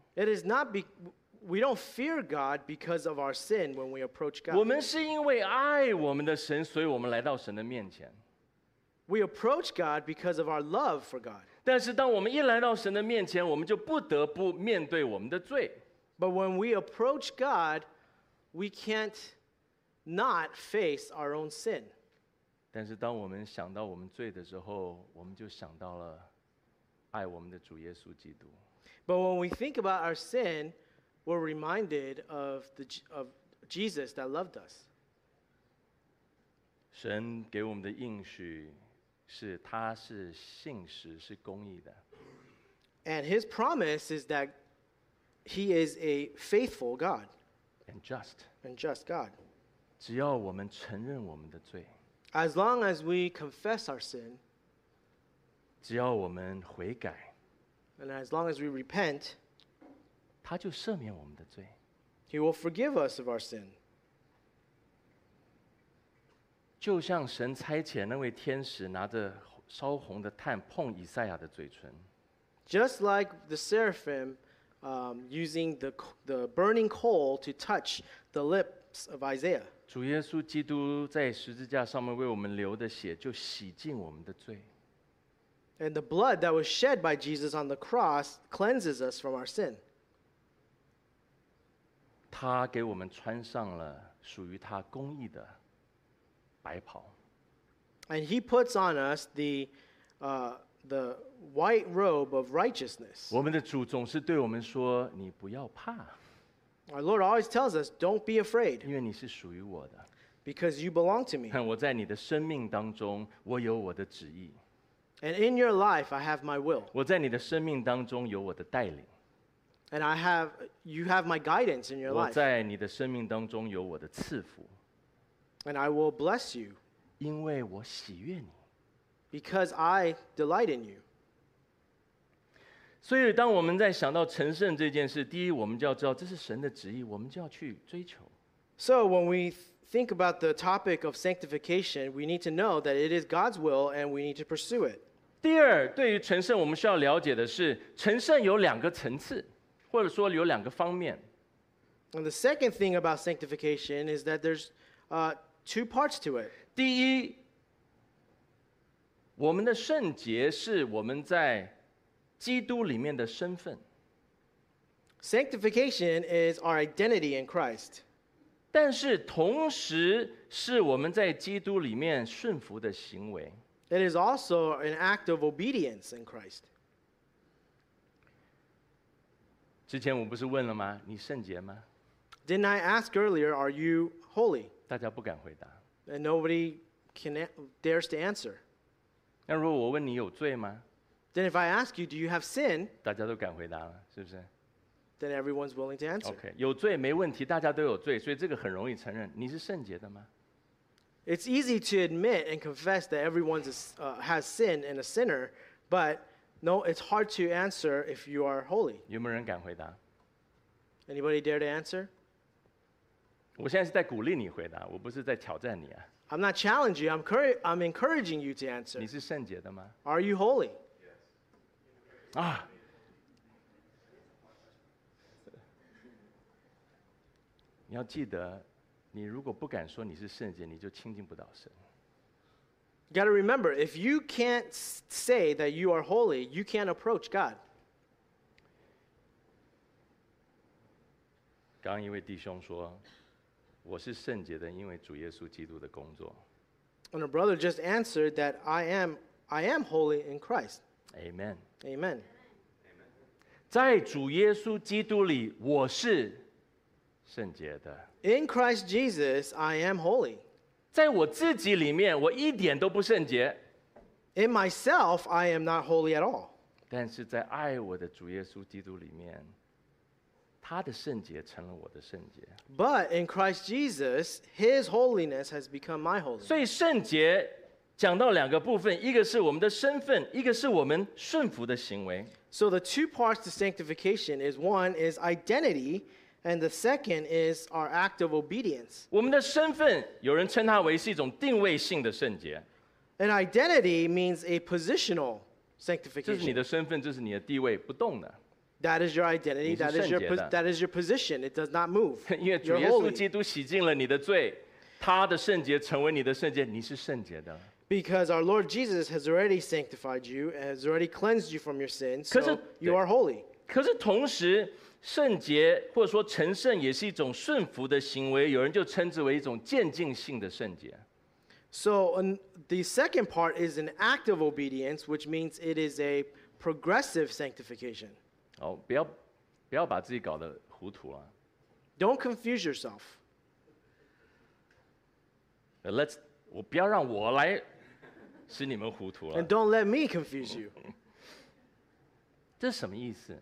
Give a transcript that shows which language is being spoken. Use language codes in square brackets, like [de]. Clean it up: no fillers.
[en] It is not we don't fear God because of our sin when we approach God. [zh] 我们是因为爱我们的神，所以我们来到神的面前。 [en] We approach God because of our love for God. [zh] 但是当我们一来到神的面前，我们就不得不面对我们的罪。 [en] But when we approach God, we can't not face our own sin. [zh] 但是当我们想到我们罪的时候，我们就想到了爱我们的主耶稣基督。 [en] But when we think about our sin, we're reminded of Jesus that loved us. [zh] 神给我们的应许是他是信实，是公义的。 [en] And His promise is that He is a faithful God. And just. And just God. [zh] 只要我们承认我们的罪。 [en] As long as we confess our sin, [zh] 只要我们悔改， [en] and as long as we repent, [zh] 他就赦免我们的罪。 [en] He will forgive us of our sin. [zh] 就像神差遣那位天使拿着烧红的炭碰以赛亚的嘴唇。 [en] Just like the seraphim, using the burning coal to touch the lips of Isaiah. [zh] 主耶稣基督在十字架上面为我们流的血就洗净我们的罪。 [en] And the blood that was shed by Jesus on the cross cleanses us from our sin. [zh] 他给我们穿上了属于他公义的白袍。 [en] And He puts on us the white robe of righteousness. [zh] 我们的主总是对我们说，你不要怕。 [en] Our Lord always tells us, don't be afraid. [zh] 因为你是属于我的。 [en] Because you belong to me. [zh] 我在你的生命当中，我有我的旨意。 [en] And in your life, I have my will. [zh] 我在你的生命当中有我的带领。 [en] And you have my guidance in your life. [zh] 我在你的生命当中有我的赐福。 [en] And I will bless you. [zh] 因为我喜悦你。 [en] Because I delight in you. [zh] 所以当我们在想到成圣这件事，第一，我们就要知道这是神的旨意，我们就要去追求。 [en] So when we think about the topic of sanctification, we need to know that it is God's will and we need to pursue it. [zh] 第二，对于成圣我们需要了解的是，成圣有两个层次，或者说有两个方面。 [en] And the second thing about sanctification is that there's two parts to it. [zh] 第一，我们的圣洁是我们在基督里面的身份。 [en] Sanctification is our identity in Christ. [zh] 但是同时是我们在基督里面顺服的行为。 [en] It is also an act of obedience in Christ. [zh] 之前我不是问了吗？你圣洁吗？ [en] Didn't I ask earlier, are you holy? [zh] 大家不敢回答。 [en] And nobody dares to answer. [zh] 那如果我问你有罪吗？ [en] Then if I ask you, do you have sin? [zh] 大家都敢回答了，是不是？ [en] Then everyone's willing to answer. [zh] Okay, 有罪没问题，大家都有罪，所以这个很容易承认。你是圣洁的吗？ [en] It's easy to admit and confess that everyone has sin and a sinner, but no, it's hard to answer if you are holy. [zh] 有没有人敢回答？ [en] Anybody dare to answer? [zh] 我现在是在鼓励你回答，我不是在挑战你啊。 [en] I'm not challenging you. I'm encouraging you to answer. [zh] 你是圣洁的吗？ [en] Are you holy? Yes. 啊。 [zh] 你要记得，你如果不敢说你是圣洁，你就亲近不到神。 [en] You gotta remember, if you can't say that you are holy, you can't approach God. [zh] 刚一位弟兄说，我是圣洁的，因为主耶稣基督的工作。 [en] And a brother just answered that I am holy in Christ. Amen. Amen. [zh] 在主耶稣基督里，我是。圣洁的。 [en] In Christ Jesus, I am holy. [zh] 在我自己里面，我一点都不圣洁。 [en] In myself, I am not holy at all. [zh] 但是在爱我的主耶稣基督里面，他的圣洁成了我的圣洁。 [en] But in Christ Jesus, His holiness has become my holiness. [zh] 所以圣洁讲到两个部分，一个是我们的身份，一个是我们顺服的行为。 [en] So the two parts to sanctification is one is identity. And the second is our act of obedience. [zh] 我们的身份，有人称它为是一种定位性的圣洁。 [en] An identity means a positional sanctification. [zh] 这是你的身份，这是你的地位，不动的。 [en] That is your identity. [zh] 你是圣洁的。 [en] That is your position. It does not move. [zh] 因为主耶稣基督洗净了你的罪，他的圣洁成为你的圣洁，你是圣洁的。 [en] Because our Lord Jesus has already sanctified you, has already cleansed you from your sins, so you are holy. [zh] 可是同时圣洁或者说成圣也是一种顺服的行为，有人就称之为一种渐进性的圣洁。 [en] So the second part is an act of obedience, which means it is a progressive sanctification. [zh] 哦，不要把自己搞得糊涂啊。 [en] Don't confuse yourself. Let's [zh] 我不要让我来使你们糊涂了。 [en] And don't let me confuse you. [zh] 这什么意思？